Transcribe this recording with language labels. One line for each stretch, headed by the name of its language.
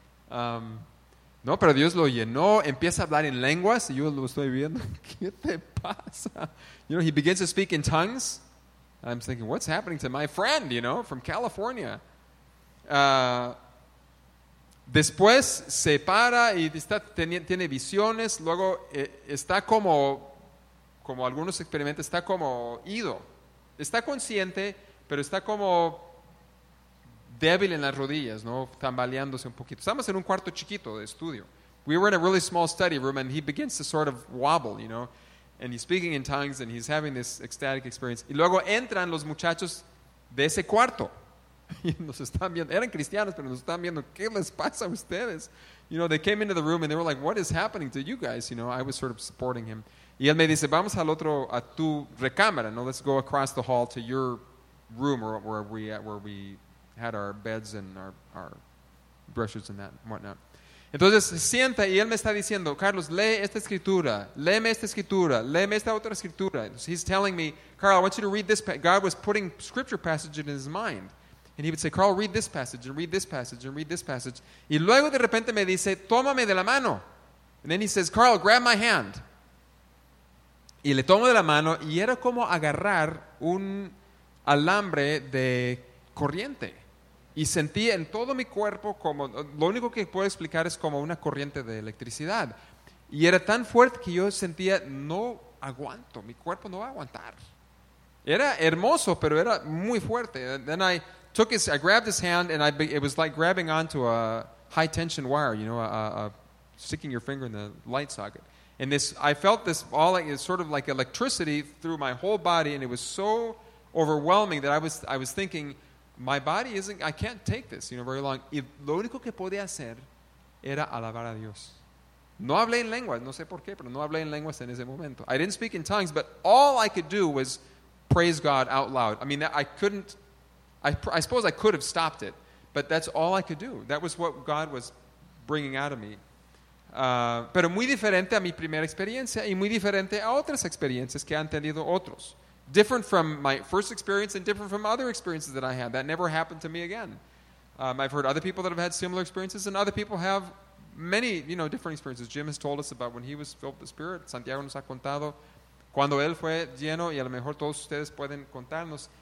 Spanish: No, pero Dios lo llenó, empieza a hablar en lenguas, y yo lo estoy viendo, ¿qué te pasa?
English: You know, he begins to speak in tongues. I'm thinking, what's happening to my friend, you know, from California?
Spanish: Después se para y tiene visiones, luego está como algunos experimentos, está como ido. Está consciente, pero está como débil en las rodillas, ¿no? Tambaleándose un poquito. Estamos en un cuarto chiquito de estudio.
English: We were in a really small study room, and he begins to sort of wobble, you know. And he's speaking in tongues, and he's having this ecstatic experience.
Spanish: Y luego entran los muchachos de ese cuarto. Y nos están viendo. Eran cristianos, pero nos están viendo. ¿Qué les pasa a ustedes?
English: You know, they came into the room, and they were like, what is happening to you guys? You know, I was sort of supporting him.
Spanish: Y él me dice, vamos al otro, a tu recámara, ¿no?
English: Let's go across the hall to your room, or where we had our beds and our brushes and that and whatnot.
Spanish: Entonces, sienta y él me está diciendo, Carlos, lee esta escritura, léeme esta escritura, léeme esta otra escritura.
English: So he's telling me, Carl, I want you to read this. God was putting scripture passages in his mind. And he would say, Carl, read this passage and read this passage and read this passage.
Spanish: Y luego de repente me dice, tómame de la mano.
English: And then he says, Carl, grab my hand.
Spanish: Y le tomo de la mano y era como agarrar un alambre de corriente. Y sentí en todo mi cuerpo como, lo único que puedo explicar es como una corriente de electricidad. Y era tan fuerte que yo sentía, no aguanto, mi cuerpo no va a aguantar. Era hermoso, pero era muy fuerte.
English: And then I grabbed his hand and it was like grabbing onto a high tension wire, you know, sticking your finger in the light socket. And this, I felt this all like, it's sort of like electricity through my whole body, and it was so overwhelming that I was thinking, my body isn't, I can't take this, you know, very long.
Spanish: Y lo único que podía hacer era alabar a Dios. No hablé en lenguas, no sé por qué, pero no hablé en lenguas en ese momento.
English: I didn't speak in tongues, but all I could do was praise God out loud. I mean, I suppose I could have stopped it, but that's all I could do. That was what God was bringing out of me.
Spanish: Pero muy diferente a mi primera experiencia y muy diferente a otras experiencias que han tenido otros.
English: Different from my first experience and different from other experiences that I had. That never happened to me again. I've heard other people that have had similar experiences, and other people have many, you know, different experiences. Jim has told us about when he was filled with the Spirit.
Spanish: Santiago nos ha contado cuando él fue lleno, y a lo mejor todos ustedes pueden contarnos.